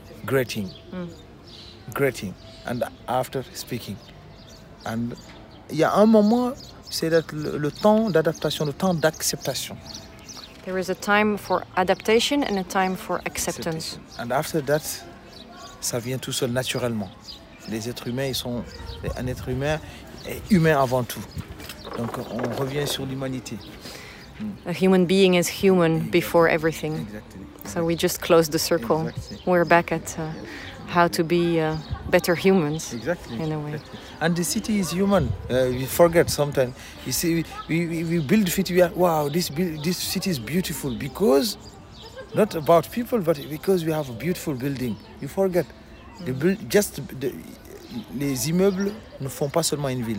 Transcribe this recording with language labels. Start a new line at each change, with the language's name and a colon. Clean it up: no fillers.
English: Greeting. Mm. Greeting. And after speaking. And
French: il y a un moment... C'est that le temps d'adaptation, le temps d'acceptation.
English: There is a time for adaptation and a time for acceptance. And after that,
French: ça vient tout seul naturellement. Les êtres humains, ils sont un être humain est humain avant tout. Donc on revient sur l'humanité.
English: A human being is human before everything. Exactly. So we just close the circle. Exactly. We're back at how to be better humans. Exactly. In a way. And the city is human. We forget sometimes. You see, we build city. We are, wow, this city is beautiful because not about people, but because we have a beautiful building. You forget. Mm-hmm.
French: Les immeubles ne font pas seulement une ville.